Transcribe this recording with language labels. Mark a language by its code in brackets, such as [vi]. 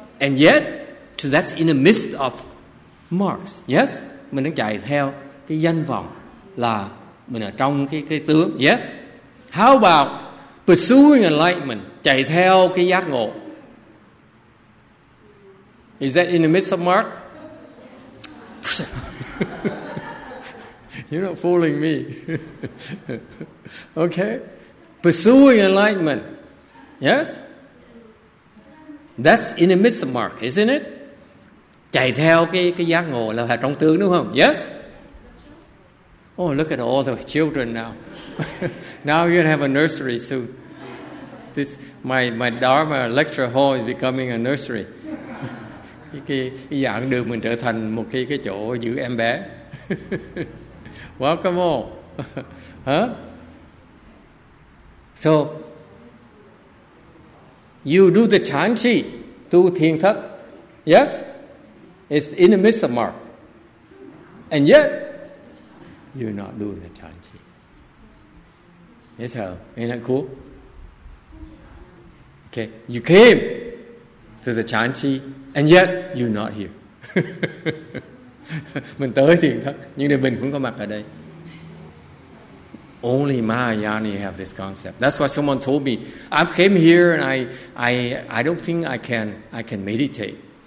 [en] And yet, so that's in the midst of Marx. Yes? [vi] Mình đang chạy theo cái danh vọng là mình ở trong cái tướng. [en] Yes? How about pursuing enlightenment, [vi] chạy theo cái giác ngộ? [en] Is that in the midst of Marx? You're not fooling me. Okay? Pursuing enlightenment. Yes? That's in the midst of Marx, isn't it? [vi] Chạy theo cái giác ngộ là ở trong tướng, đúng không? [en] Yes? Oh, look at all the children now. Now you have a nursery soon. This my Dharma lecture hall is becoming a nursery. [vi] cái giảng đường mình trở thành một cái chỗ giữ em bé. [en] Welcome all. Huh? So you do the chan chi, [vi] tu thiền thất. [en] Yes? It's in the midst of Mark. And yet you're not doing the chan chi. Yes, how? Ain't that cool? Okay, you came to the chan chi, and yet you're not here. [vi] Mình tới thiền thất, nhưng mình không có mặt ở đây. [en] Only Mahayana have this concept. That's why someone told me, I came here and I don't think I can meditate.